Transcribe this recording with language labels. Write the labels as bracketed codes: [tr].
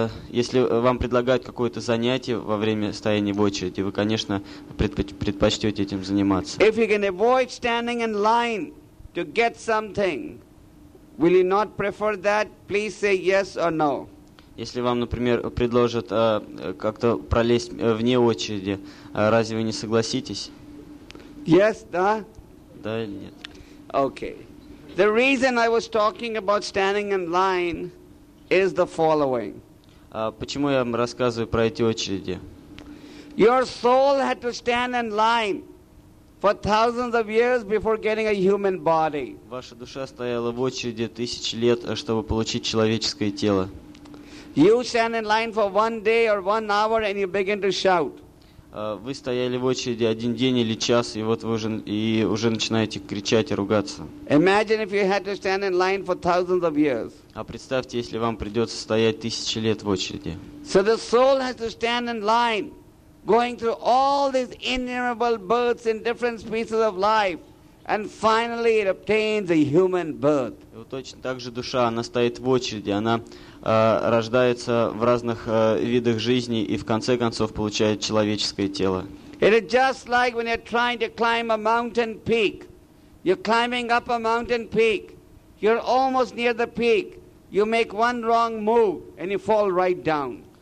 [ru] Если вам предлагают какое-то занятие во время стояния в очереди, вы, конечно, предпочтете этим заниматься. [en] If you can avoid standing in line to get something, will you not prefer that? Please say yes or no. [ru] Если вам, например, предложат как-то пролезть вне очереди, разве вы не согласитесь? [en] Yes, [ru] да? Да или нет? [en] Okay. The reason I was talking about standing in line is the following. [ru] Почему я вам рассказываю про эти очереди? [en] Your soul had to stand in line for thousands of years before getting a human body. [ru] Ваша душа стояла в очереди тысячи лет, чтобы получить человеческое тело. [en] You stand in line for 1 day or 1 hour, and you begin to shout. [ru] Вы стояли в очереди один день или час, и вот вы уже начинаете кричать и ругаться. [en] Imagine if you had to stand in line for thousands of years. [ru] А представьте, если вам придется стоять тысячи лет в очереди. [en] So the soul has to stand in line, going through all these innumerable births in different spaces of life. And finally, it obtains a human birth. [ru] Вот точно так же душа, она стоит в очереди, она рождается в разных видах жизни и в конце концов получает человеческое тело. [en] It is just like when you're trying to climb a mountain peak. You're climbing up a mountain peak. You're almost near the peak. You make one wrong move and you fall right down.